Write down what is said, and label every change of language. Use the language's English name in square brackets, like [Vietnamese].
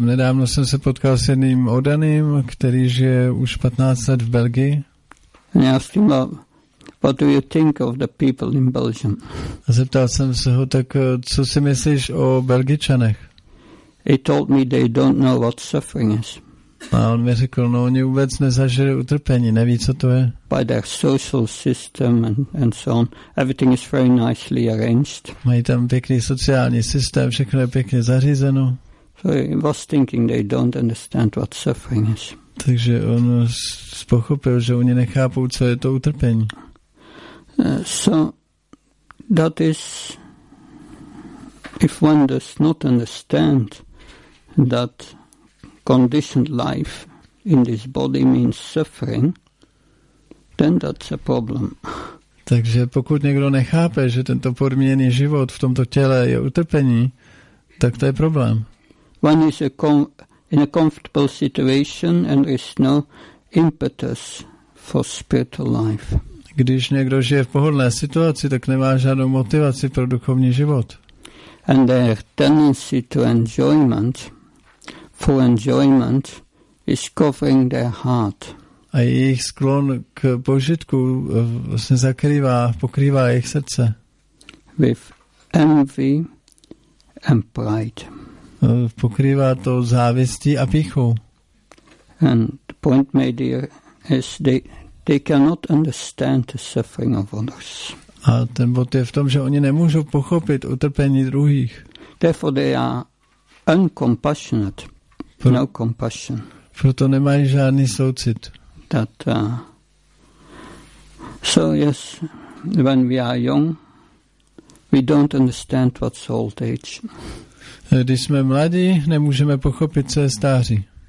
[Czech] Nedávno jsem se potkal s jedným oddaným, který žije už 15 let v Belgii. [English] And I asked him, what do you think of the people in Belgium? [Czech] A zeptal jsem se ho, tak co si myslíš o Belgičanech? [English] He told me they don't know what suffering is. [Czech] A on mi řekl, no oni vůbec nezažili utrpení, neví, co to je. [English] By their social system and so on, everything is very nicely arranged. [Czech] Mají tam pěkný sociální systém, všechno je pěkně zařízeno. [English] So he was thinking they don't understand what suffering is. [Czech] Takže on pochopil, že oni nechápou, co je to utrpení. [English] So that is, if one does not understand that conditioned life in this body means suffering, then that's a problem. [Czech] Takže pokud někdo nechápe, že tento podmíněný život v tomto těle je utrpení, tak to je problém. [English] One is in a comfortable situation and there is no impetus for spiritual life. [Czech] Když někdo žije v pohodlné situaci, tak nemá žádnou motivaci pro duchovní život. [English] And their tendency to enjoyment, for enjoyment, is covering their heart. [Czech] A jejich sklon k požitku vlastně zakrývá, pokrývá jejich srdce. [English] With envy and pride. [Czech] Pokrývá to závistí a pýchou. [English] And the point made here is they cannot understand the suffering of others. [Czech] A ten bod je v tom, že oni nemůžou pochopit utrpení druhých. [English] Therefore they are uncompassionate. No compassion. [Czech] Proto nemají žádný soucit. [English] That, so yes, when we are young, we don't understand what's old age. [Czech] Když jsme mladí, nemůžeme pochopit, co je stáří.